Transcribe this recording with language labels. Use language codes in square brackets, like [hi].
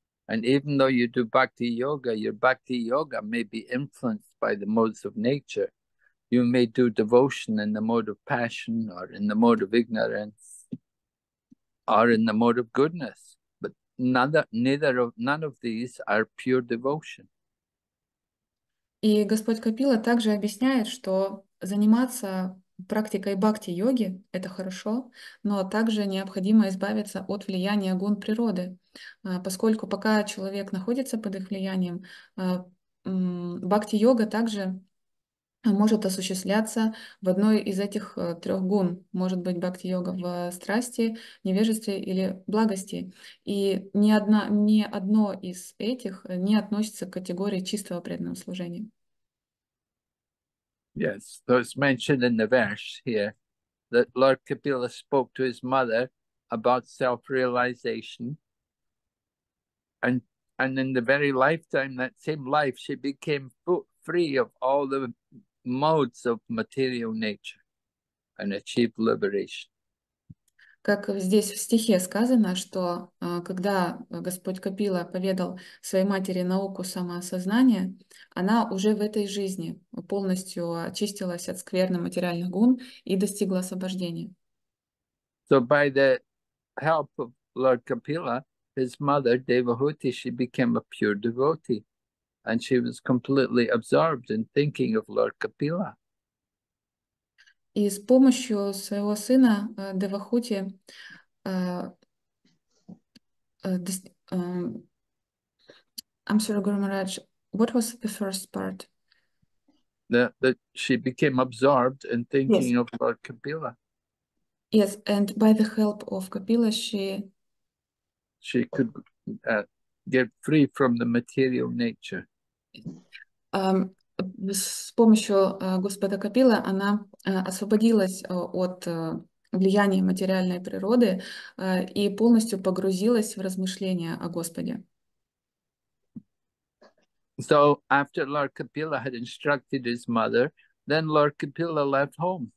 [en] And even though you do bhakti yoga, your bhakti yoga may be influenced by the modes of nature. You may do devotion in the mode of passion, or in the mode of ignorance, or in the mode of goodness, but none of these are pure devotion. [ru] И Господь Капила также объясняет, что заниматься практикой бхакти-йоги — это хорошо, но также необходимо избавиться от влияния гун природы, поскольку пока человек находится под их влиянием, бхакти-йога также может осуществляться в одной из этих трех гун. Может быть, бхакти-йога в страсти, невежестве или благости. И ни одно из этих не относится к категории чистого преданного служения. [en] Yes, so it's mentioned in the verse here that Lord Kapila spoke to his mother about self-realization, and in the very lifetime, that same life, she became free of all the modes of material nature and achieved liberation. [ru] Как здесь в стихе сказано, что когда Господь Капила поведал своей матери науку самоосознания, она уже в этой жизни полностью очистилась от скверны материальных гун и достигла освобождения. [en] So by the help of Lord Kapila, his mother Devahuti, she became a pure devotee, and she was completely absorbed in thinking of Lord Kapila. [ru] И с помощью своего сына Девахути [en] I'm sorry, Guru Maharaj, what was the first part? That she became absorbed in thinking Yes. of Lord Kapila. Yes, and by the help of Kapila, she She could get free from the material nature. [ru] С помощью Господа Капила она освободилась от влияния материальной природы и полностью погрузилась в размышления о Господе. [en] So after Lord Kapila had instructed his mother, then Lord Kapila left home.